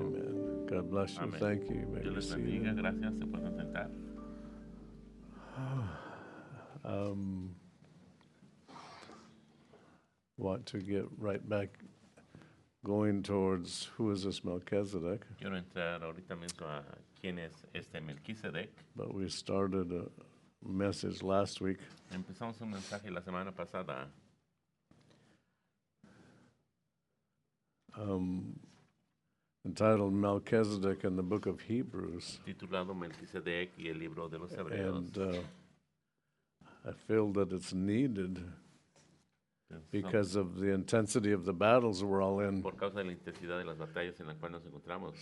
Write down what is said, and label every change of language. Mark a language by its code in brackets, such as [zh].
[en] Amen. God bless you. Amen. Thank you. [es] May Dios les bendiga. Gracias. Se pueden sentar. [en] Want to get right back going towards who is this Melchizedek? [es] Quiero entrar ahorita mismo a quién es este Melchizedek. [en] But we started a message last week. [es] Empezamos un mensaje la semana pasada. [en] Entitled Melchizedek in the Book of Hebrews. [es] Titulado Melchizedek y el libro de los Hebreos. [en] And I feel that it's needed because of the intensity of the battles we're all in. [es] Por causa de la intensidad de las batallas en las cuales nos encontramos,